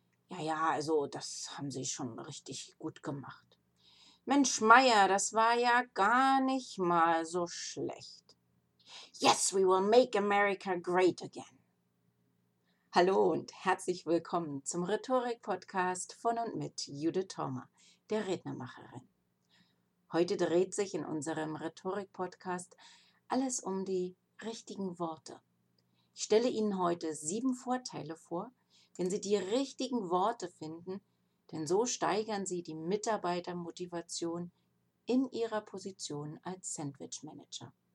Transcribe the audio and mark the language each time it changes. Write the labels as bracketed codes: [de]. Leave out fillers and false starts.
[de] Naja, also das haben sie schon richtig gut gemacht. Mensch, Meier, das war ja gar nicht mal so schlecht. [en] Yes, we will make America great again. [de] Hallo und herzlich willkommen zum Rhetorik-Podcast von und mit Judith Thoma, der Rednermacherin. Heute dreht sich in unserem Rhetorik-Podcast alles um die richtigen Worte. Ich stelle Ihnen heute 7 Vorteile vor, wenn Sie die richtigen Worte finden, denn so steigern Sie die Mitarbeitermotivation in Ihrer Position als Sandwich-Manager.